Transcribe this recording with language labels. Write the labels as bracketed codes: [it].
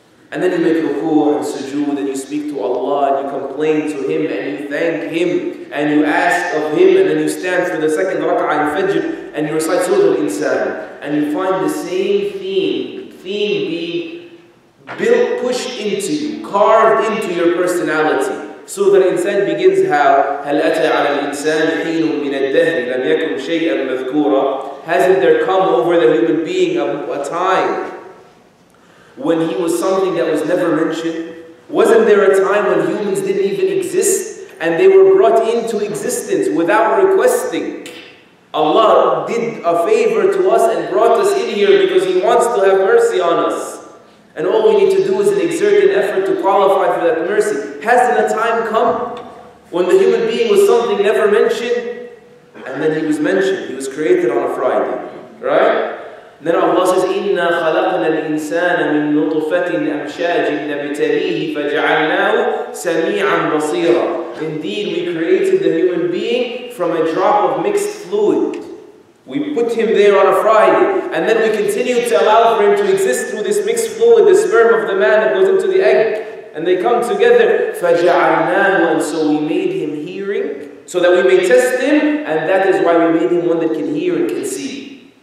[en] And then you make ruku' and sujood, and you speak to Allah, and you complain to Him, and you thank Him, and you ask of Him, and then you stand for the second raka'ah in fajr, and you recite Surah Al-Insan, and you find the same theme being built, pushed into you, carved into your personality. So that insan begins how, [ar] هَلْ أَتَى عَلَى الْإِنسَانِ حِينٌ مِنَ الدَّهْنِ لَمْ يَكُمْ شَيْئًا مَذْكُورًا. [en] Hasn't there come over the human being a time when he was something that was never mentioned? Wasn't there a time when humans didn't even exist and they were brought into existence without requesting? Allah did a favor to us and brought us in here because He wants to have mercy on us. And all we need to do is an exerted effort to qualify for that mercy. Hasn't a time come when the human being was something never mentioned? And then he was mentioned. He was created on a Friday. Right? Then Allah says, [ar] إِنَّا خَلَقْنَا الْإِنسَانَ مِنْ نُطْفَةٍ أَمْشَاجٍ نَبْتَلِيهِ فَجَعَلْنَاهُ سَمِيعًا بَصِيرًا. [en] Indeed, we created the human being from a drop of mixed fluid. We put him there on a Friday, and then we continue to allow for him to exist through this mixed fluid, the sperm of the man that goes into the egg, and they come together. [ar] فَجَعَلْنَاهُ. [en] So we made him hearing, so that we may test him, and that is why we made him one that can hear and can see.